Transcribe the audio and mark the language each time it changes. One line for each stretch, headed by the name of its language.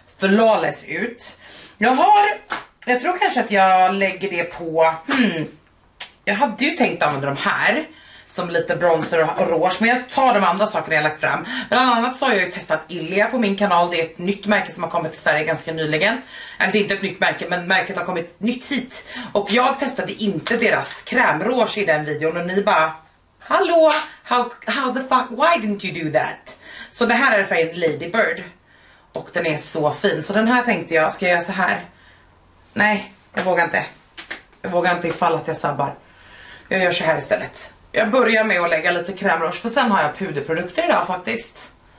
Swedish: flawless ut. Jag har, jag tror kanske att jag lägger det på, jag hade ju tänkt använda de här som lite bronzer och rouge, men jag tar de andra sakerna jag lagt fram. Bland annat så har jag ju testat Ilia på min kanal. Det är ett nytt märke som har kommit till Sverige ganska nyligen. Eller det är inte ett nytt märke, men märket har kommit nytt hit. Och jag testade inte deras krämrouge i den videon. Och ni bara, hallå,
English: how the fuck, why didn't you do that?
Swedish: Så det här är för en Lady Bird. Och den är så fin. Så den här tänkte jag, ska jag göra så här? Nej, jag vågar inte. Jag vågar inte ifall att jag sabbar. Jag gör så här istället. Jag börjar med att lägga lite crème rouge, för sen har jag puderprodukter idag faktiskt.